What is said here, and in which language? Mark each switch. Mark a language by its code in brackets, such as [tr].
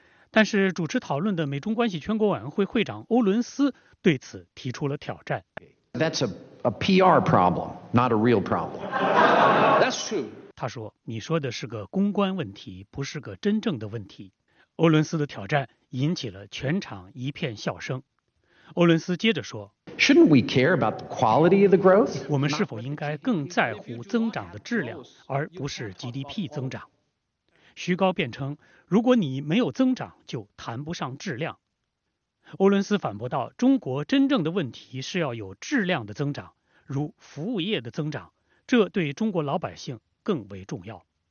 [zh] 但是主持讨论的美中关系全国委员会会长欧伦斯对此提出了挑战。 [en] A PR problem, not a real problem. That's true. [zh] 他说，你说的是个公关问题，不是个真正的问题。欧伦斯的挑战引起了全场一片笑声。欧伦斯接着说， [en] Shouldn't we care about the quality of the growth? [zh] 我们是否应该更在乎增长的质量，而不是 GDP 增长？徐高辩称，如果你没有增长，就谈不上质量。欧伦斯反驳道，中国真正的问题是要有质量的增长，如服务业的增长，这对中国老百姓更为重要。